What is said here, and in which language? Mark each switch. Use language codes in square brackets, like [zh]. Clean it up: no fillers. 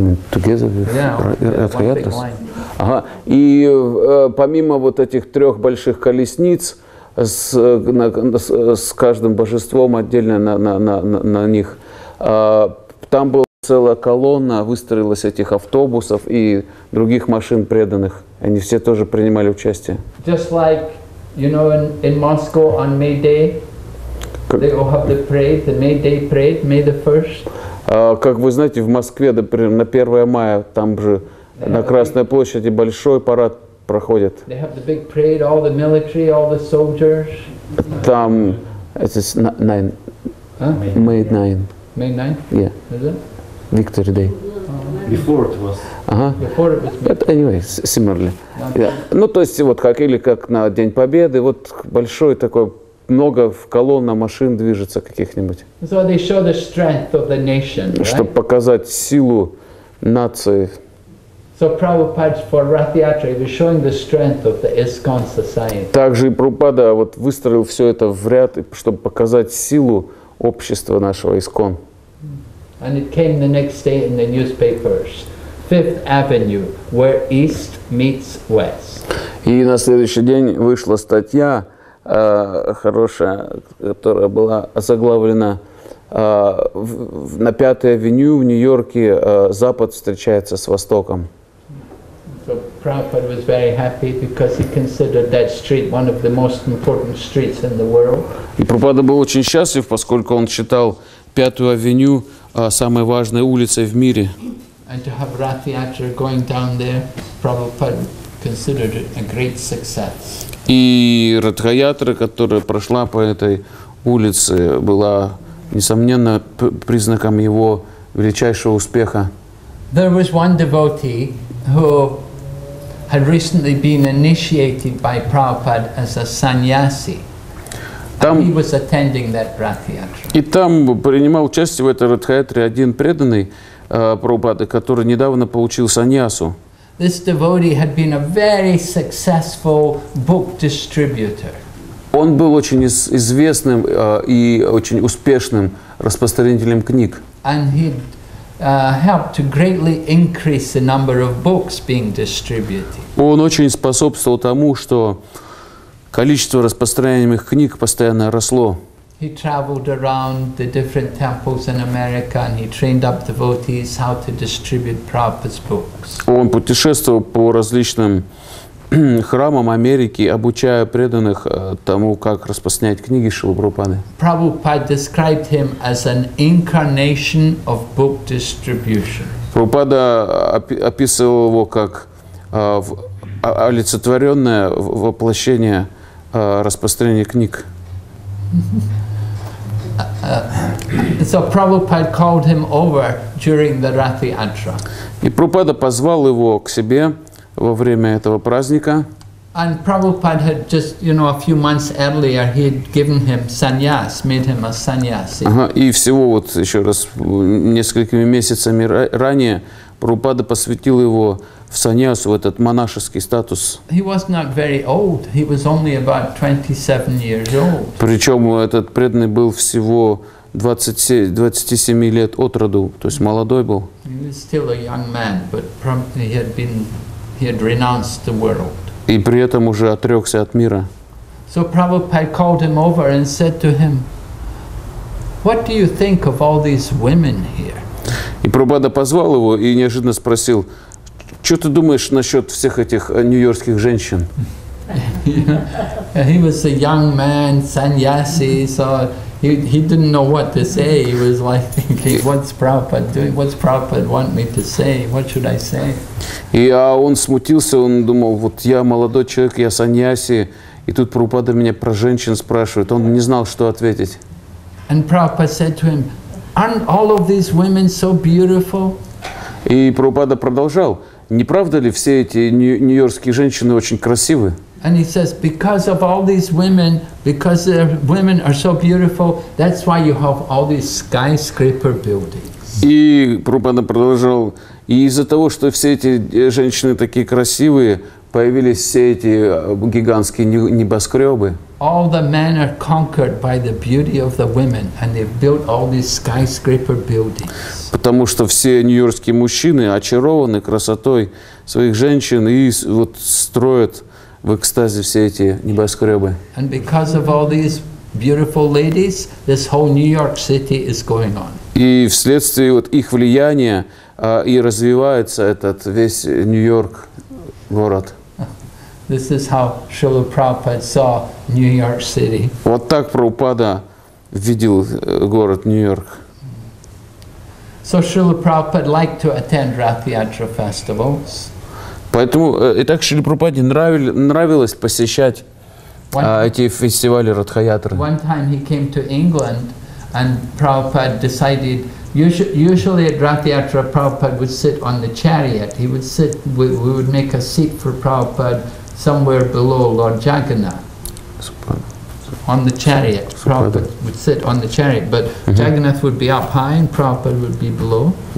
[en] Together with Radhayatras. [ru] Ага. И помимо вот этих трех больших колесниц с каждым божеством отдельно на них, там была целая колонна, выстроилась этих автобусов и других машин преданных. Они все тоже принимали участие. [en] Just like you know, in Moscow on May Day, they all have the parade, the May Day parade, May the 1st. [ru] Как вы знаете, в Москве, например, на 1 мая, там же на Красной площади большой парад проходит. [en] They have the big parade, all the military, all the soldiers. [ru] Там, это 9, [en] huh? May 9. May 9? Yeah. Is it? Victory Day. Before it was. [ru] Ага. [en] Anyway, similarly. Yeah. [ru] Ну, то есть, вот как или как на День Победы, вот большой такой, много в колонна машин движется каких-нибудь. [en] So they show the strength of the nation, right? [ru] Чтобы показать силу нации. [en] So Prabhupada for Rathyatra was showing the strength of the ISKCON society. [ru] Также и Прабхупада вот выстроил все это в ряд, чтобы показать силу общества нашего ИСКОН. [en] And it came the next day in the newspapers. Fifth Avenue, where East meets West. [ru] И на следующий день вышла статья хорошая, которая была озаглавлена на Пятой Авеню в Нью-Йорке Запад встречается с Востоком. [en] So Prabhupada was very happy because he considered that street one of the most important streets in the world. [ru] И Прабхупада был очень счастлив, поскольку он считал Пятую Авеню самой важной улицей в мире. [en] And to have Ratha Yatra going down there, Prabhupada considered it a great success. [ru] И Ратха Ятра, которая прошла по этой улице, была несомненно признаком его величайшего успеха. [en] There was one devotee who had recently been initiated by Prabhupada as a sannyasi. [ru] Там, [en] and he was attending that Ratha Yatra. [ru] И там принимал участие в этой Ратха Ятре один преданный Прабхупады, который недавно получил саньясу. [en] This devotee had been a very successful book distributor. [ru] Он был очень известным и очень успешным распространителем книг. [en] And he helped to greatly increase the number of books being distributed. [ru] Он очень способствовал тому, что количество распространяемых книг постоянно росло. [en] He traveled around the different temples in America and he trained up devotees how to distribute Prabhupada's books. [ru] Он путешествовал по различным храмам Америки, обучая преданных тому, как распространять книги Шрилы Прабхупады. [en] Prabhupada described him as an incarnation of book distribution. [ru] Прабхупада описывал его как олицетворенное воплощение распространения книг. [en] So Prabhupada called him over during the Ratha Yatra. [ru] И Прабхупада позвал его к себе во время этого праздника. [en] And Prabhupada had just, you know, a few months earlier, he had given him sannyas, made him a sannyasi. [ru] И всего вот еще раз несколькими месяцами ранее Прабхупада посвятил его в саньясу, в этот монашеский статус. [en] He was not very old. He was only about 27 years old. [ru] Причем этот преданный был всего 27 лет от роду, то есть молодой был. [en] He was still a young man, but he had renounced the world. [ru] И при этом уже отрекся от мира. [en] So Prabhupada called him over and said to him, "What do you think of all these women here?" [ru] И Прабхупада позвал его и неожиданно спросил: что ты думаешь насчет всех этих нью-йоркских женщин? [en] He was a young man, sannyasi, so he didn't know what to say. He was like thinking, what's Prabhupada doing? What's Prabhupada want me to say? What should I say? [ru] И он смутился, он думал, вот я молодой человек, я саньяси, и тут Прабхупада меня про женщин спрашивает. Он не знал, что ответить. [en] And Prabhupada said to him, aren't all of these women so beautiful? [ru] И Прабхупада продолжал: не правда ли, все эти нью-йоркские женщины очень красивы? [en] And he says, because of all these women, because the women are so beautiful, that's why you have all these skyscraper buildings. [ru] И Прабхупада продолжал: и из-за того, что все эти женщины такие красивые, появились все эти гигантские небоскребы. [en] All the men are conquered by the beauty of the women, and they've built all these skyscraper buildings. [ru] Потому что все нью-йоркские мужчины очарованы красотой своих женщин и вот строят в экстазе все эти небоскребы. [en] And because of all these beautiful ladies, this whole New York City is going on. [ru] И вследствие вот их влияния и развивается этот весь Нью-Йорк город. [en] This is how Srila Prabhupada saw New York City. [ru] Вот так Прабхупада видел город Нью-Йорк. [en] So Srila Prabhupada liked to attend Ratha Yatra festivals. [ru] Поэтому и так Шрила Прабхупаде нравилось посещать эти фестивали Ратха Ятры. [en] One time he came to England and Prabhupada decided, usually at Ratha Yatra Prabhupada would sit on the chariot. He would sit, we would make a seat for Prabhupada somewhere below Lord Jagannath. On the chariot, Prabhupada would sit on the chariot, but Jagannath would be up high and Prabhupada would be below.